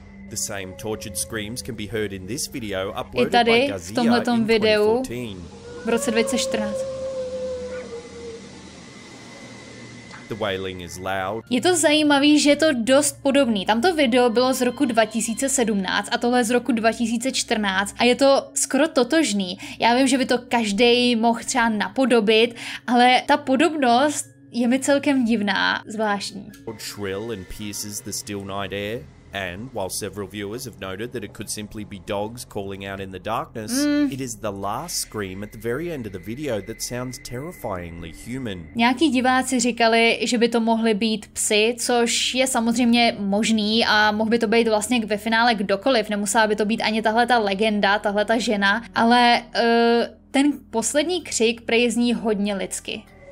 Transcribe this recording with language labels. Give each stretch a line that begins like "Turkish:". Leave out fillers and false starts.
English: The same tortured screams can be heard in this video uploaded by Gazia in 2014.
Czech: I tady, v tomhletom videu, v roce 2014.
English: The wailing is loud.
Czech: Je to zajímavý, že je to dost podobný. Tamto video bylo z roku 2017 a tohle z roku 2014 a je to skoro totožný. Já vím, že by to každej mohl třeba napodobit, ale ta podobnost je mi celkem divná, zvláštní.
English: Shrill and pierces the still night air. And while several viewers have noted that it could simply be dogs calling out in the darkness, it is the last scream at the very end of the video that sounds terrifyingly human.
Czech: Nějaký diváci říkali, že by to mohly být psy, což je samozřejmě možný a mohl by to být vlastně ve finále kdokoliv, nemusela by to být ani tahle ta legenda, tahle ta žena, ale ten poslední křik prej zní hodně lidsky.